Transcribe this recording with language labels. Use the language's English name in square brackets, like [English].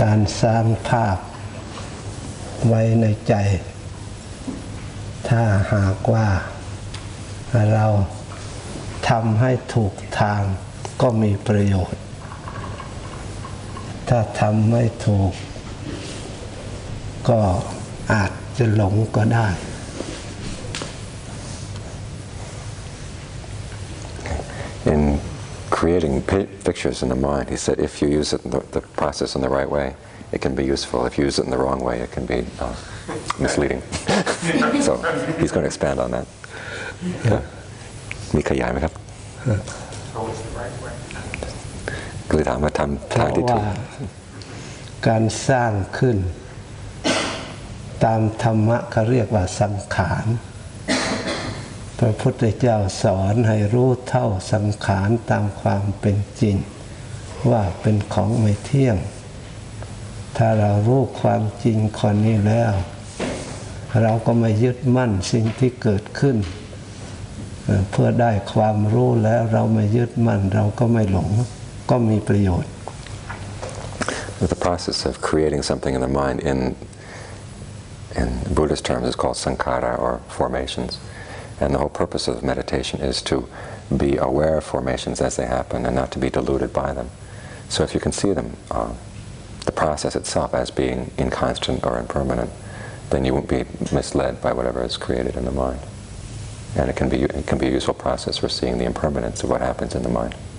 [Thai] การสร้างภาพไว้ในใจถ้าหากว่าเราทำให้ถูกทางก็มีประโยชน์ถ้าทำไม่ถูกก็อาจจะหลงก็ได้ [English] In creating pictures in the mind, he said, if you use it the process in the right way, it can be useful. If you use it in the wrong way, it can be misleading. So he's going to expand on that. Yeah. [Thai] มีขยายไหมครับคือถามว่าทำทางที่ถูก การสร้างขึ้นตามธรรมะเขาเรียกว่าสังขารพระพุทธเจ้าสอนให้รู้เท่าสังขารตามความเป็นจริงว่าเป็นของไม่เที่ยงถ้าเรารู้ความจริงคนนี้แล้วเราก็ไม่ยึดมั่นสิ่งที่เกิดขึ้นเพื่อได้ความรู้แล้วเราไม่ยึดมั่นเราก็ไม่หลงก็มีประโยชน์ [English] The process of creating something in the mind in Buddhist terms is called sankhara or formations and the whole purpose of meditation is to be aware of formations as they happen and not to be deluded by them so if you can see them the process itself as being inconstant or impermanent then you won't be misled by whatever is created in the mindAnd it can be a useful process for seeing the impermanence of what happens in the mind.